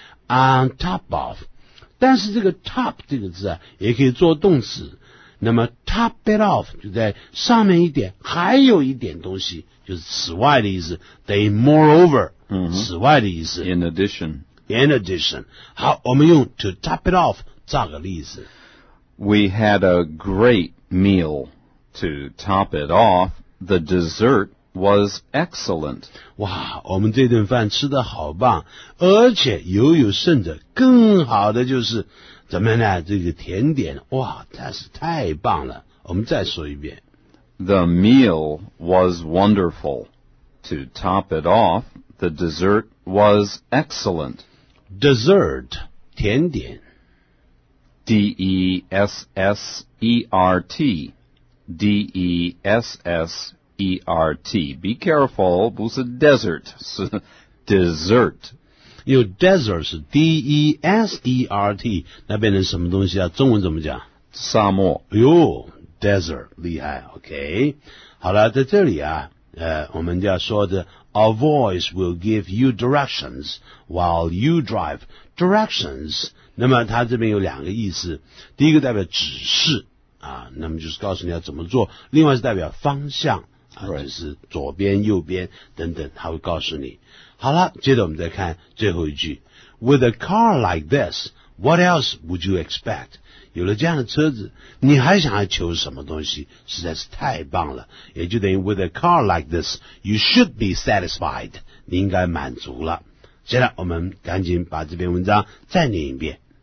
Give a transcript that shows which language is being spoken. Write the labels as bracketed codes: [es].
[en] on top of, [zh] 但是这个 top 这个字啊也可以做动词，那么 [en] top it off [zh] 就在上面一点，还有一点东西，就是此外的意思，等于 moreover、此外的意思 [en] in addition。 [zh] 好，我们用 to top it off 造个例子。 [en] We had a great meal. To top it off, the dessert was excellent. [zh] 哇，我们这顿饭吃得好棒，而且悠悠甚者，更好的就是怎么呢，这个甜点，哇，真是太棒了。我们再说一遍。 [en] The meal was wonderful. To top it off, the dessert was excellent. [zh] Dessert, 甜点。 [en] D-E-S-S-E-R-T D-E-S-S-E-R-T E-R-T. Be careful, [zh] 不是 [en] desert, 是 dessert. [zh] 有 desert 是 D-E-S-E-R-T, 那边的什么东西啊，中文怎么讲？沙漠。哟 ,desert, 厉害 ,OK。好了，在这里啊，我们就要说的 , [en] a voice will give you directions while you drive. [zh] Directions, 那么它这边有两个意思。第一个代表指示啊，那么就是告诉你要怎么做，另外是代表方向。 [en] Right. [zh] 就是左边右边等等，他会告诉你。好了，接着我们再看最后一句。 [en] With a car like this, What else would you expect? [zh] 有了这样的车子，你还想要求什么东西？实在是太棒了。也就等于 [en] with a car like this, you should be satisfied. [zh] 你应该满足了。现在我们赶紧把这篇文章再念一遍。